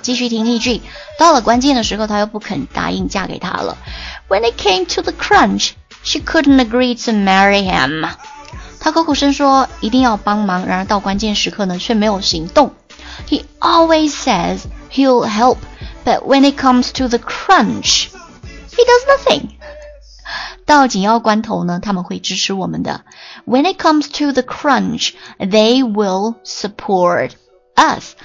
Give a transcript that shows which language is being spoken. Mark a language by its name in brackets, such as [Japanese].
[Chinese] 继续听例句，到了关键的时刻他又不肯答应嫁给他了。 [English] When it came to the crunch she couldn't agree to marry him。 [Chinese] 他口口声说一定要帮忙，然而到关键时刻呢却没有行动。 [English] He always says he'll help but when it comes to the crunchHe does nothing. [Chinese] 到紧要关头呢，他们会支持我们的。 [English] When it comes to the crunch, they will support us.